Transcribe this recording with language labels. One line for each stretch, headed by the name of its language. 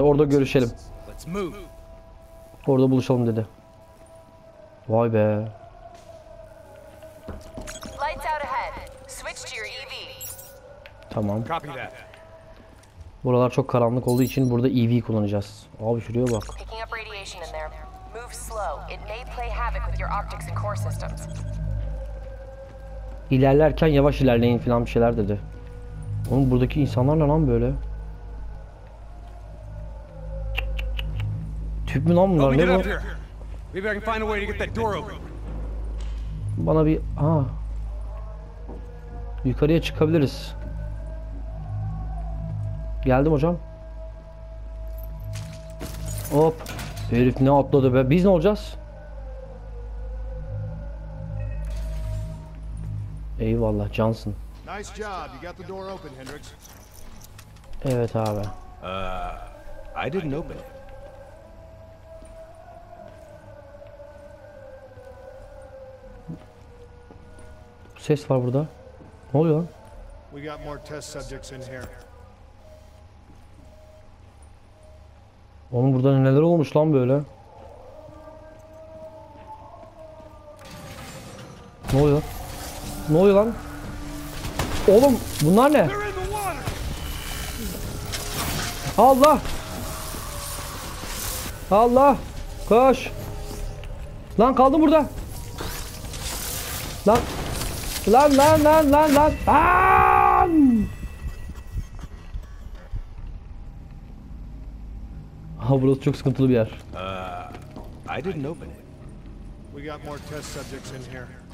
Turkish: Orada görüşelim. Orada buluşalım dedi. Vay be.
English: Lights out ahead. Switch to your EV.
Turkish: Tamam.
English: Copy that.
Turkish: Buralar çok karanlık olduğu için burada EV kullanacağız. Abi şuraya bak.
English: Picking up radiation in there. Move slow. It may play havoc with your optics and core systems.
Turkish: İlerlerken yavaş ilerleyin falan bir şeyler dedi. Oğlum buradaki insanlar ne lan böyle? Tüp mü lan bunlar? Ne bu?
English: Maybe I can find a way to get that door open.
Turkish: Bana bir yukarıya çıkabiliriz. Geldim hocam. Hop. Herif ne atladı be? Biz ne olacağız? Eyvallah
English: Johnson. Nice job. You got the door open, Hendrix.
Turkish: Evet abi.
English: I didn't open it.
Turkish: Ses var burada. Ne oluyor lan?
English: We got more test subjects in here.
Turkish: Oğlum burada neler olmuş lan böyle? Ne oluyor? Ne oluyor lan? Oğlum bunlar ne? Allah! Allah! Koş! Lan kaldım burada. Lan Lan! Aaaaan! Aha burası çok sıkıntılı bir yer.
English: I didn't open it. We got more test subjects in here.